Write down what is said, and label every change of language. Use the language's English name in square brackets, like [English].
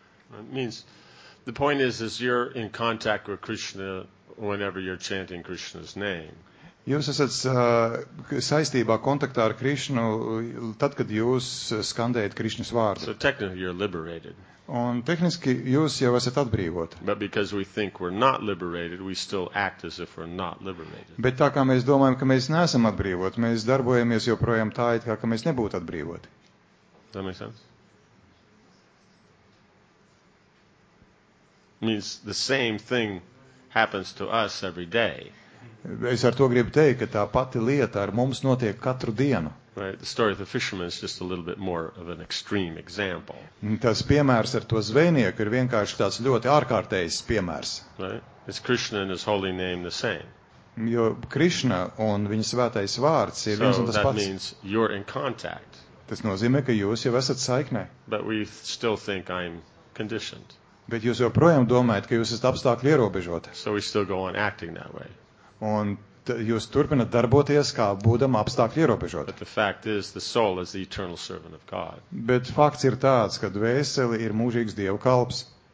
[English] The point is you're in contact with Krishna whenever you're chanting Krishna's name. [Latvian] Jūs esat saistībā kontaktā ar Krišnu, tad, kad jūs skandējat Krišnas vārdu. [English] So technically you're liberated. [Latvian] Un tehniski jūs jau esat atbrīvoti. [English] But because we think we're not liberated, we still act as if we're not liberated. [Latvian] Bet tā kā mēs domājam, ka mēs neesam atbrīvoti, mēs darbojamies joprojām tā, it kā ka mēs nebūtu atbrīvoti. [English] That makes sense? Means the same thing happens to us every day. [Latvian] Es ar to gribu teikt, ka tā pati lieta ar mums notiek katru dienu. [English] Right, the story of the fisherman is just a little bit more of an extreme example. [Latvian] Tas piemērs ar to zvejnieku ir vienkārši tāds ļoti ārkārtējs piemērs. [English] Right, it's Krishna and his holy name the same. [Latvian] Jo Krishna un viņa svētais vārds ir viens un tas pats. [English] So that means you're in contact. [Latvian] Tas nozīmē, ka jūs jau esat saiknē. [English] But we still think I'm conditioned. [Latvian] Bet jūs joprojām domājat, ka jūs esat apstākļi ierobežoti. [English] So we still go on acting that way. [Latvian] Un jūs turpinat darboties, kā būdam apstākļi ierobežoti. [English] But the fact is, the soul is the eternal servant of God. [Latvian] Bet fakts ir tāds, ka dvēseli ir mūžīgs Dieva kalps.